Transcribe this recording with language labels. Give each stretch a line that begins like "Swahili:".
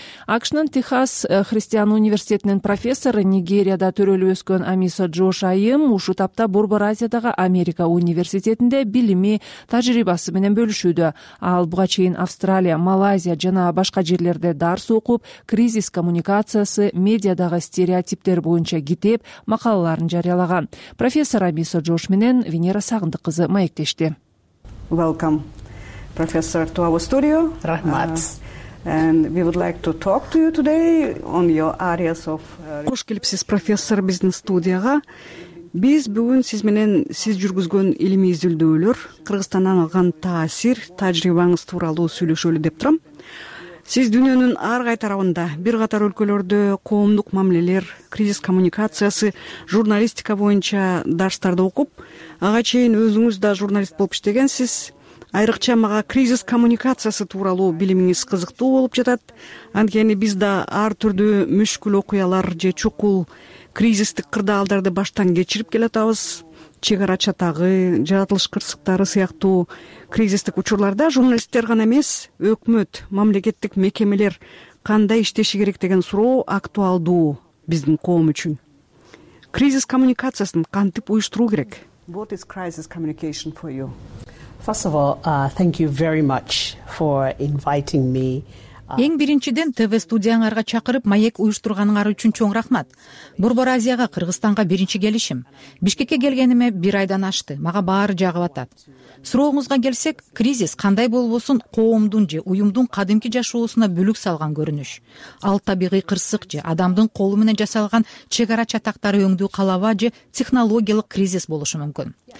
Kyrgyz: АКШнын Техас Христиан университетинин профессору, Нигерияда төрөлүп өскөн Амиса Джош айым ушу тапта Борбор Азиядагы Америка университетинде билими тажрыйбасы менен бөлүшүүдө. Ал буга чейин Австралия, Малайзия жана башка жерлерде дарс окуп, кризис коммуникациясы, медиадагы стереотиптер боюнча китеп макалаларын жарыялаган. Профессор Амиса Джош менен Венера Сагындык кызы маектешти.
English: Welcome, professor, to our studio.
Kyrgyz: Рахмат.
English: And we would like to talk to you today on your areas of...
Kyrgyz: Кош келипсиз, профессор, биздин студияга. Биз бүгүн сиз менен сиз жүргүзгөн илимий изилдөөлөр, Кыргызстандан алган таасир, тажрыйбаңыз тууралуу сүйлөшөлү деп турам. Сиз дүйнөнүн ар кай тарабында, бир катар өлкөлөрдө коомдук мамилелер, кризис коммуникациясы, журналистика боюнча дарстарды окуп, ага чейин өзүңүз да журналист болуп иштегенсиз. Айрыкча мага кризис коммуникациясы тууралуу билимиңиз кызыктуу болуп жатат. Анткени биз да ар түрдүү мүшкүл окуялар же чукул кризистик кырдаалдарды баштан кечирип келатабыз. Чек ара чатагы, жаратылыш кырсыктары сыяктуу кризистик учурларда журналисттер гана эмес, өкмөт, мамлекеттик мекемелер кандай иштеши керек деген суроо актуалдуу биздин коом үчүн. Кризис коммуникациясын кантип уюштуруу керек?
English: What is crisis communication for you? First of all, thank you very much for inviting me.
Kyrgyz: Эң биринчиден ТВ студияңарга чакырып, маек уюштурганыңар үчүн чоң рахмат. Борбор Азияга, Кыргызстанга биринчи келишим. Бишкекке келгениме 1 айдан ашты. Мага баары жагып атат. Сурооңузга келсек, кризис кандай болбосун коомдун же уюмдун кадимки жашоосуна бүлүк салган көрүнүш. Ал табигый кырсык же адамдын колу менен жасалган чек ара чатактары өңдүү калаба же технологиялык кризис болушу мүмкүн.